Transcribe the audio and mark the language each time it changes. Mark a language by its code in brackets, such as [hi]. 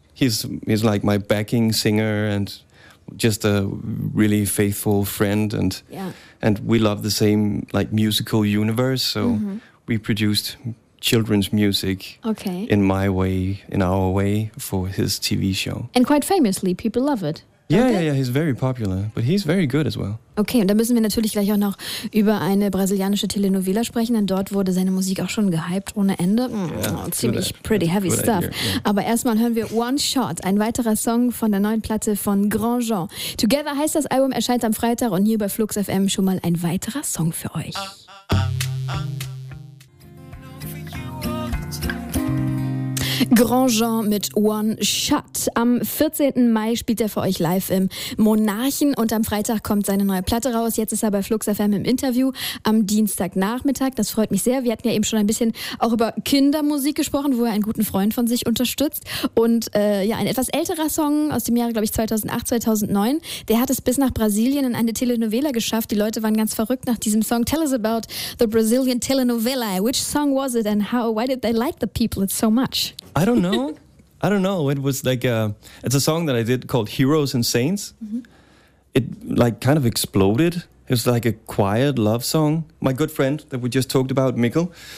[en] He's like my backing singer and just a really faithful friend. And yeah. And we love the same like musical universe. So mm-hmm. we produced children's music in my way, in our way for his TV show. And quite famously, people love it. Yeah, he's very popular, but he's very good as well. [de] Okay, und da müssen wir natürlich gleich auch noch über eine brasilianische Telenovela sprechen, denn dort wurde seine Musik auch schon gehypt ohne Ende. [en] Yeah, [de] ziemlich [en] pretty heavy stuff. Yeah. [de] Aber erstmal hören wir One Shot, ein weiterer Song von der neuen Platte von Grand Jean. Together heißt das Album, erscheint am Freitag und hier bei Flux FM schon mal ein weiterer Song für euch. Grand Jean mit One Shot. Am 14. Mai spielt er für euch live im Monarchen und am Freitag kommt seine neue Platte raus. Jetzt ist er bei Flux FM im Interview am Dienstagnachmittag. Das freut mich sehr. Wir hatten ja eben schon ein bisschen auch über Kindermusik gesprochen, wo er einen guten Freund von sich unterstützt. Und ein etwas älterer Song aus dem Jahre, glaube ich, 2008, 2009. Der hat es bis nach Brasilien in eine Telenovela geschafft. Die Leute waren ganz verrückt nach diesem Song. [en] Tell us about the Brazilian telenovela. Which song was it and why did they like the people so much? I don't know. It was like it's a song that I did called Heroes and Saints. Mm-hmm. It like kind of exploded. It was like a quiet love song. My good friend that we just talked about, Mikkel,